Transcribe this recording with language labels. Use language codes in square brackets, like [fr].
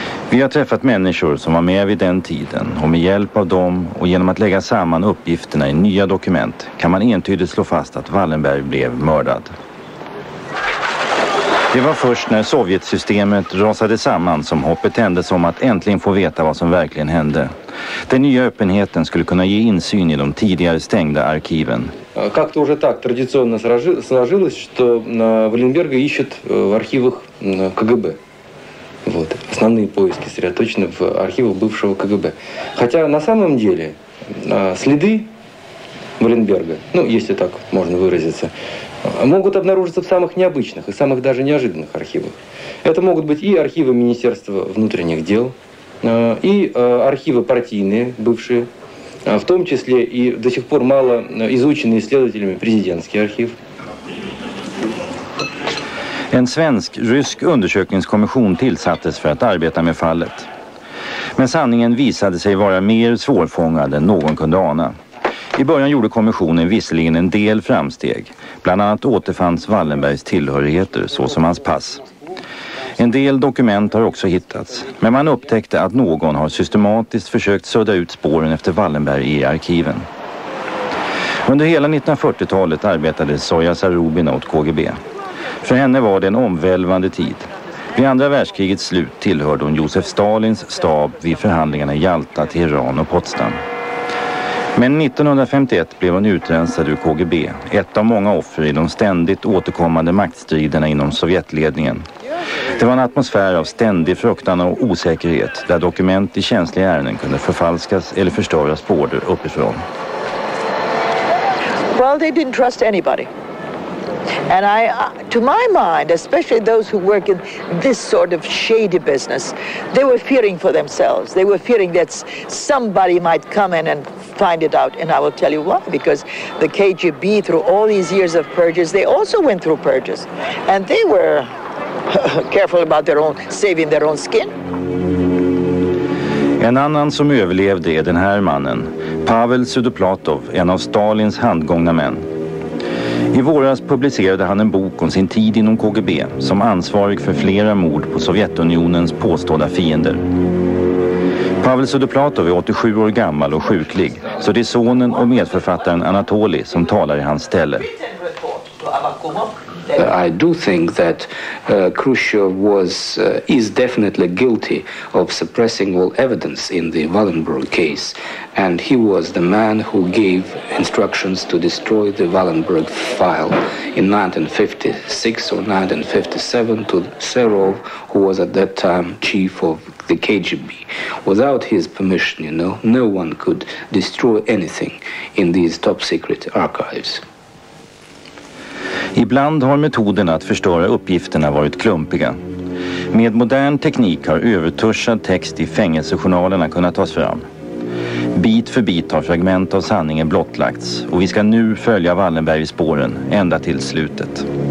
[sv] Vi har träffat människor som var med vid den tiden och med hjälp av dem och genom att lägga samman uppgifterna i nya dokument kan man entydigt slå fast att Wallenberg blev mördad. Det var först när sovjetsystemet rasade samman som hoppet tändes om att äntligen få veta vad som verkligen hände. Den nya öppenheten skulle kunna ge insyn i de tidigare stängda arkiven. [ru] Как-то уже так традиционно сложилось, что Валенберга ищет в архивах КГБ. Вот. Основные поиски сосредоточены в архивах бывшего КГБ. Хотя на самом деле следы Валенберга, ну, если так можно выразиться, могут обнаружиться в самых необычных и самых даже неожиданных архивах. Это могут быть и архивы Министерства внутренних дел, и архивы партийные, бывшие, в том числе и до сих пор мало изученные исследователями президентский архив. [sv] En svensk-rysk undersökningskommission tillsattes för att arbeta med fallet. Men sanningen visade sig vara mer svårfångad än någon kunde ana. I början gjorde kommissionen visserligen en del framsteg. Bland annat återfanns Wallenbergs tillhörigheter, såsom hans pass. En del dokument har också hittats. Men man upptäckte att någon har systematiskt försökt sudda ut spåren efter Wallenberg i arkiven. Under hela 1940-talet arbetade Soja Zarubina åt KGB. För henne var det en omvälvande tid. Vid andra världskrigets slut tillhörde hon Josef Stalins stab vid förhandlingarna i Jalta, Teheran och Potsdam. Men 1951 blev hon utrensad ur KGB, ett av många offer i de ständigt återkommande maktstriderna inom sovjetledningen. Det var en atmosfär av ständig fruktan och osäkerhet där dokument i känsliga ärenden kunde förfalskas eller förstöras på order uppifrån. [en] Well, they didn't trust anybody. And I, to my mind, especially those who work in this sort of shady business, they were fearing for themselves. They were fearing that somebody might come in and find it out. And I will tell you why. Because the KGB, through all these years of purges, they also went through purges. And they were careful about their own, saving their own skin. [sv] En annan som överlevde är den här mannen, Pavel Sudoplatov, en av Stalins handgångna män. I våras publicerade han en bok om sin tid inom KGB som ansvarig för flera mord på Sovjetunionens påstådda fiender. Pavel Sudoplatov är 87 år gammal och sjuklig, så det är sonen och medförfattaren Anatoli som talar i hans ställe. [en] I do think that Khrushchev was is definitely guilty of suppressing all evidence in the Wallenberg case, and he was the man who gave instructions to destroy the Wallenberg file in 1956 or 1957 to Serov, who was at that time chief of the KGB. Without his permission, you know, no one could destroy anything in these top secret archives. [sv] Ibland har metoderna att förstöra uppgifterna varit klumpiga. Med modern teknik har övertuschad text i fängelsejournalerna kunnat tas fram. Bit för bit har fragment av sanningen blottlagts, och vi ska nu följa Wallenberg i spåren ända till slutet.